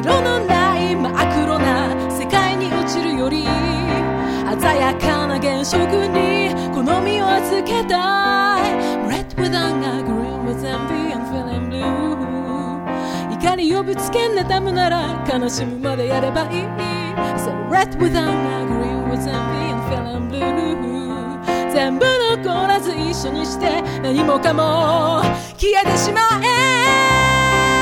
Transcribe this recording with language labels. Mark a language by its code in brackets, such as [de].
[ja] 色のない真っ黒な世界に落ちるより、鮮やかな原色にこの身を預けたい。 [en] Red with anger, green with envy, I'm feeling blue。 [ja] 怒りをぶつけ妬むなら悲しむまでやればいい。 [en] So red with anger, green with envy, I'm feeling blue。 [ja] 全部残らず一緒にして、何もかも消えてしまえ。